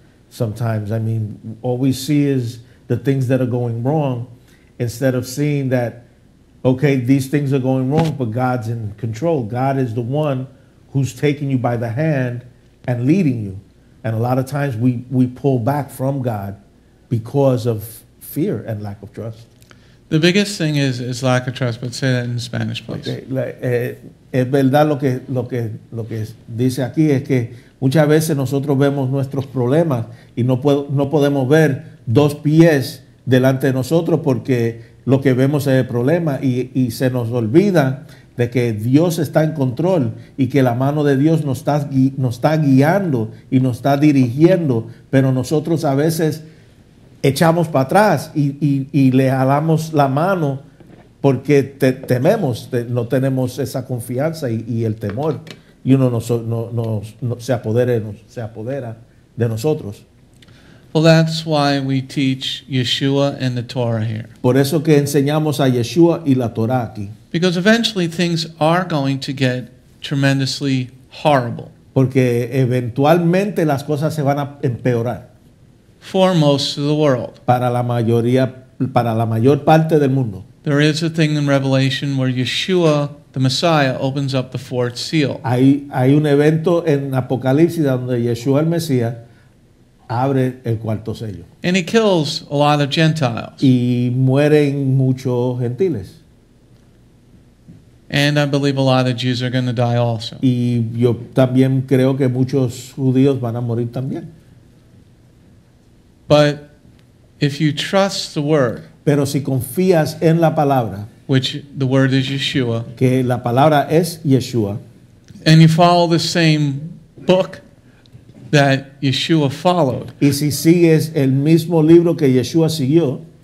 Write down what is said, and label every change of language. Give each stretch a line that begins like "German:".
English: Sometimes, I mean, all we see is the things that are going wrong instead of seeing that, okay, these things are going wrong, but God's in control. God is the one who's taking you by the hand and leading you. And a lot of times we pull back from God because of fear and lack of trust. The biggest thing is lack of trust, but say that in Spanish, please. Okay.
Spanish: Es verdad lo que dice aquí es que muchas veces nosotros vemos nuestros problemas y no podemos ver dos pies delante de nosotros porque lo que vemos es el problema y se nos olvida de que Dios está en control y que la mano de Dios nos está guiando y nos está dirigiendo, pero nosotros a veces echamos para atrás y le jalamos la mano porque no tenemos esa confianza y el temor, y uno se apodera de nosotros.
English: Well, that's why we teach Yeshua and the Torah here.
Spanish: Por eso que enseñamos a Yeshua y la Torah aquí.
English: Because eventually things are going to get tremendously horrible.
Spanish: Porque eventualmente las cosas se van a empeorar.
English: For most of the world.
Spanish: Para la mayor parte del mundo.
English: There is a thing in Revelation where Yeshua, the Messiah, opens up the fourth seal.
Spanish: Hay un evento en Apocalipsis donde Yeshua el Mesías abre el cuarto sello.
English: And he kills a lot of Gentiles.
Spanish: Y mueren muchos gentiles.
English: And I believe a lot of Jews are going to die also.
Spanish: Y yo también creo que muchos judíos van a morir también.
English: But if you trust the word,
Spanish: pero si confías en la palabra,
English: which the word is Yeshua,
Spanish: que la palabra es Yeshua,
English: and you follow the same book that Yeshua followed,
Spanish: y si sigues el mismo libro que Yeshua siguió,